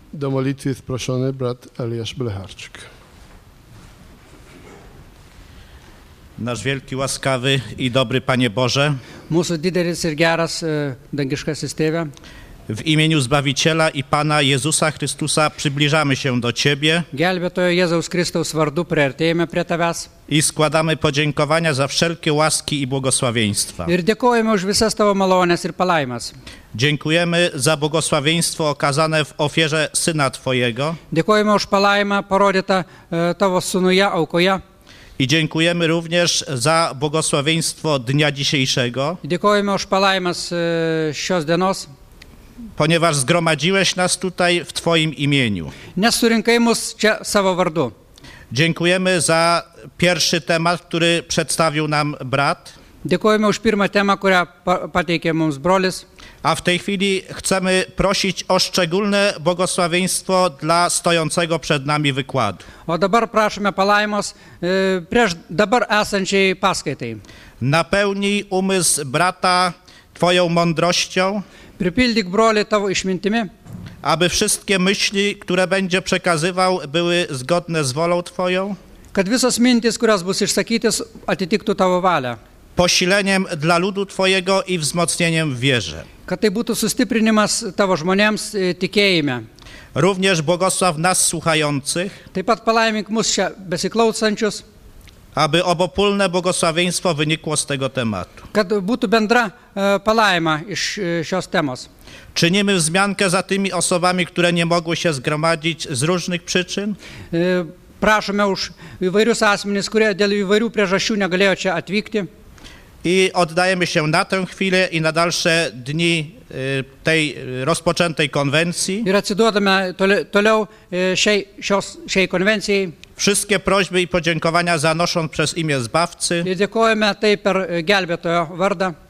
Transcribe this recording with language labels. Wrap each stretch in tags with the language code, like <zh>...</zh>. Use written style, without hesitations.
<pl>modlitwie jest proszony brat Eliasz Blecharczyk. Nasz wielki, łaskawy i dobry Panie Boże,</pl> <lt>mūsų didelis ir geras dangiškasis tėve,</lt> <pl>w imieniu Zbawiciela i Pana Jezusa Chrystusa przybliżamy się do Ciebie.</pl> <lt>Gelbėtojo Jėzaus Kristaus vardu priartėjame prie Tavęs.</lt> <pl>I składamy podziękowania za wszelkie łaski i błogosławieństwa.</pl> <lt>Ir dėkojame už visas Tavo malones ir palaimas.</lt> <pl>Dziękujemy za błogosławieństwo okazane w ofierze Syna Twojego.</pl> <lt>Dėkojame už palaimą parodytą Tavo Sūnuje aukoje.</lt> <pl>I dziękujemy również za błogosławieństwo dnia dzisiejszego.</pl> <lt>Dėkojame už palaimas šios dienos.</lt> <pl>Ponieważ zgromadziłeś nas tutaj w Twoim imieniu.</pl> <lt>Nes surinkai mus čia savo vardu.</lt> <pl>Dziękujemy za pierwszy temat, który przedstawił nam brat.</pl> <lt>Dėkojame už pirmą temą, kurią pateikė mums brolis.</lt> <pl>A w tej chwili chcemy prosić o szczególne błogosławieństwo dla stojącego przed nami wykładu.</pl> <lt>O dabar prašome palaimos prieš dabar esančiai paskaitai.</lt> <pl>Napełnij umysł brata Twoją mądrością.</pl> <lt>Pripildyk brolį tavo išmintimi.</lt> <pl>Aby wszystkie myśli, które będzie przekazywał, były zgodne z wolą Twoją.</pl> <lt>Kad visos mintys, kurias bus išsakytis, atitiktų tavo valią.</lt> <pl>Posileniem dla ludu Twojego i wzmocnieniem w wierze.</pl> <lt>Kad tai būtų sustiprinimas tavo žmonėms tikėjime.</lt> <pl>Również błogosław nas słuchających.</pl> <lt>Taip pat palaimink mus čia besiklausančius.</lt> <pl>Aby obopólne błogosławieństwo wynikło z tego tematu.</pl> <lt>Kad būtų bendra palaima iš šios temos.</lt> <pl>Czynimy wzmiankę za tymi osobami, które nie mogły się zgromadzić z różnych przyczyn.</pl> <lt>Prašome už įvairius asmenis, kurie dėl įvairių priežasčių negalėjo čia atvykti.</lt> <pl>I oddajemy się na tę chwilę i na dalsze dni tej rozpoczętej konwencji.</pl> <lt>Ir atsiduodame toliau šiai konvencijai.</lt> <pl>Wszystkie prośby i podziękowania zanoszą przez imię Zbawcy.</pl> <lt>Ir dėkojame tai per gelbėtojo vardą.</lt>